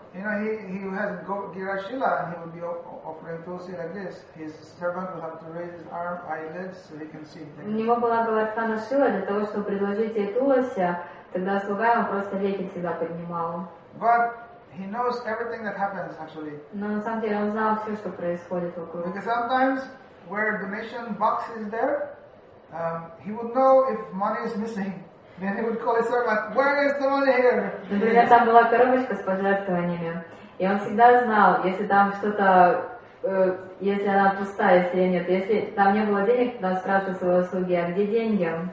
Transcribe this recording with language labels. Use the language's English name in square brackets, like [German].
[English] You know, he has Girashila, and he would be offering tulsi like this. His servant would have to raise his arm, eyelids, so he can see. [Russian] У него была Гвардхана Шила для того, чтобы предложить ей тулоси, тогда слуга ему просто веки всегда поднимал. [English] But he knows everything that happens, actually. [Russian] Но на самом деле он знал все, что происходит вокруг. [English] Because sometimes, where the donation box is there, he would know if money is missing. Then he would call his servant, "Where is the money here?" [Russian] Например, там была коробочка с пожертвованиями, и он всегда знал, если там что-то, если она пуста, если ее нет, если там не было денег, то он спрашивал своего слуги, а где деньги?